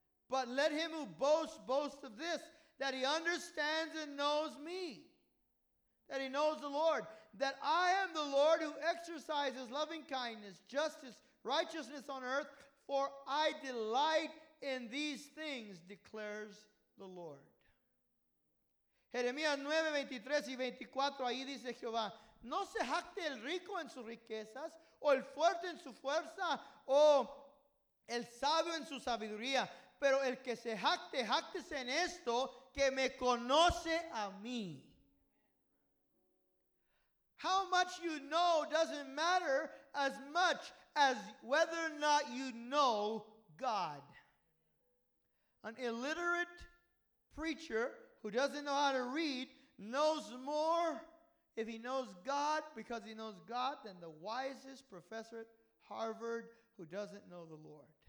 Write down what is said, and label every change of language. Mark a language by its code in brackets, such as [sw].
[en] But let him who boasts boast of this, that he understands and knows me, that he knows the Lord, that I am the Lord who exercises loving kindness, justice, righteousness on earth, for I delight in these things, declares the Lord. [es] Jeremías 9, 23 y 24, ahí dice Jehová, no se jacte el rico en sus riquezas, o el fuerte en su fuerza, o el sabio en su sabiduría, pero el que se jacte, jactese en esto, que me conoce a mí. [en] How much you know doesn't matter as much as whether or not you know God. An illiterate preacher who doesn't know how to read knows more if he knows God, because he knows God, than the wisest professor at Harvard who doesn't know the Lord.